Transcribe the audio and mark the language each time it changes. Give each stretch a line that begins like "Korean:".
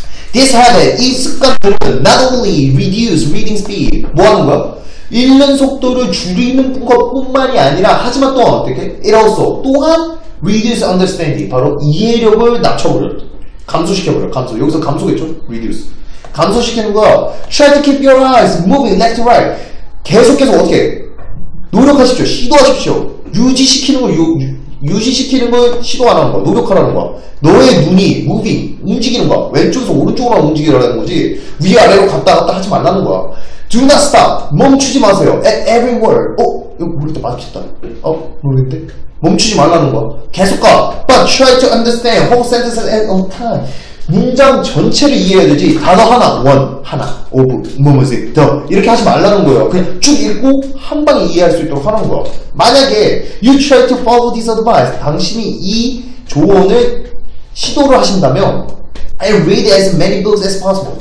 English: This habit,
Korean: 이 습관들은
English: not only reduce reading speed.
Korean: 뭐 하는 거야? 읽는 속도를 줄이는 것뿐만이 아니라 하지만 또한 어떻게?
English: It also
Korean: 또한
English: reduce understanding.
Korean: 바로 이해력을 낮춰버려. 감소시켜버려. 감소. 여기서 감소겠죠? reduce. 감소시키는 거야.
English: Try to keep your eyes moving left to right.
Korean: 계속해서 어떻게? 노력하십시오. 시도하십시오. 유지시키는 걸 유지시키는 걸 시도하라는 거야. 노력하라는 거야. 너의 눈이 moving, 움직이는 거야. 왼쪽에서 오른쪽으로 움직이라는 거지 위아래로 갔다 갔다 하지 말라는 거야.
English: Do not stop.
Korean: 멈추지 마세요.
English: At every word.
Korean: 어? 이거 모르겠다. 맞겠다. 어? 모르겠대? 멈추지 말라는 거야. 계속 가.
English: But try to understand whole sentences at a time.
Korean: 문장 전체를 이해해야 되지. 단어 하나.
English: One. 하나. Of. Moment. The.
Korean: 이렇게 하지 말라는 거예요. 그냥 쭉 읽고 한 방에 이해할 수 있도록 하는 거야. 만약에
English: you try to follow this advice.
Korean: 당신이 이 조언을 시도를 하신다면
English: I read as many books as possible.